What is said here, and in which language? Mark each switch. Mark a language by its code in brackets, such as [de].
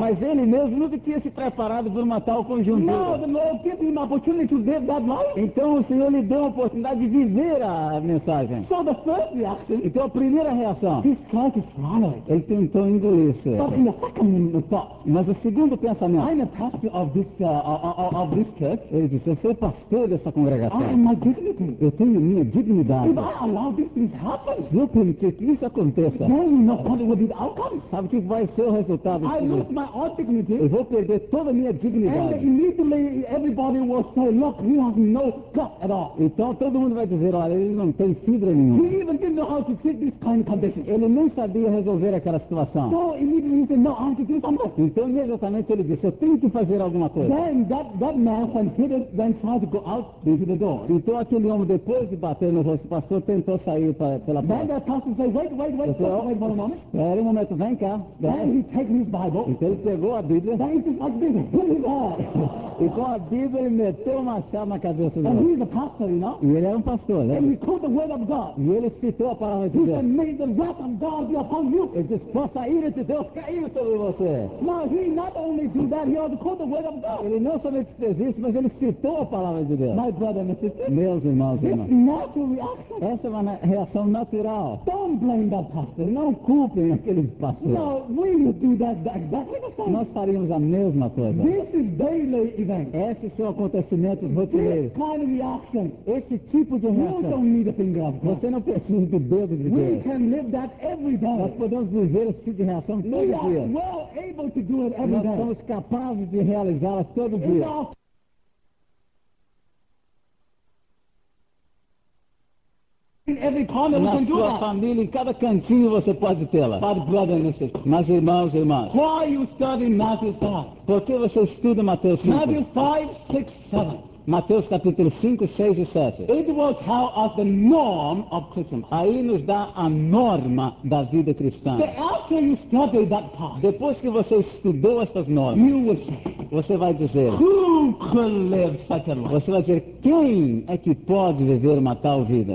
[pt] Mas ele mesmo nunca tinha se preparado para uma tal conjuntura. [en] Now the Lord gave him opportunity to live that life. [pt] Então o Senhor lhe deu a oportunidade de viver a mensagem. [en] So the first reaction, [pt] então a primeira reação. [en] He tried to swallow it. [pt] Ele tentou engolir isso. [en] But in the second thought, [pt] mas o segundo pensamento. [en] I'm a pastor of this church. [pt] Ele disse, eu sou pastor dessa congregação. [en] I am my dignity. [pt] Eu tenho minha dignidade. [en] If I allow this to happen, [pt] se eu permitir que isso aconteça, [en] then you know what will be the outcome. [pt] Sabe que vai ser o resultado? [en] I lose my own dignity. [pt] Eu vou perder toda a minha dignidade. [en] And immediately everybody will say, look, he has no gut at all. [pt] Então todo mundo vai dizer, olha, ele não tem fibra nenhuma. [en] He even didn't know how to treat this kind of condition. [pt] Ele não sabia resolver aquela situação. [en] So immediately he said, no, I have to do something. [pt] Então imediatamente ele disse, eu tenho que fazer alguma coisa. [en] Then that man when he did then tried to go out through the door. [pt] Então aquele homem depois de bater no rosto do pastor tentou sair pela porta. [en] Then the pastor said, wait for a moment. [pt] Espera um momento, vem cá. [en] Then he take his Bible. [pt] Então ele pegou a Bíblia. [en] Then he took my Bible. [pt] E com a Bíblia ele meteu uma chave na cabeça dele. [en] And he's a pastor, you know. [pt] E ele era um pastor. [en] And he called the word of God. [pt] E ele citou a palavra de Deus. [en] He said, may the wrath of God be upon you. [pt] Ele disse, possa a ira de Deus cair sobre você. [en] Now he not only did that, he also called the word of God. [pt] Ele não somente fez isso, mas ele citou a palavra de Deus. [en] My brother and sister, [pt] meus irmãos e irmãs. [en] Natural reaction. [pt] Essa é uma reação natural. [en] Don't blame that pastor. [pt] Não culpem aquele pastor. [en] Now, we will do that exactly the same. [pt] Nós faríamos a mesma coisa. [en] This is daily event. [pt] Esses são acontecimentos rotineiros. [en] This kind of reaction. [pt] Esse tipo de reação. [en] You don't need a finger of God. [pt] Você não precisa do dedo de Deus. [en] We can live that every day. [pt] Nós podemos viver esse tipo de reação todo dia. [en] We are well able to do it every day. [pt] Nós somos capazes de realizá-las todo dia. [en] Every corner, [pt] na [en] we can [pt] sua [en] do that. [pt] Família, em cada cantinho você pode tê-la. [en] But brother and sister, [pt] mas irmãos e irmãs, [en] why are you studying Matthew 5? [pt] Por que você estuda Mateus 5? [en] Matthew 5, 6, 7. [pt] Mateus capítulo 5, 6 e 7. [en] It will tell us the norm of Christian. [pt] Aí nos dá a norma da vida cristã. [en] So after you study that part, [pt] depois que você estudou essas normas, [en] you will say, [pt] você vai dizer, [en] who could live such a life? [pt] Você vai dizer, quem é que pode viver uma tal vida?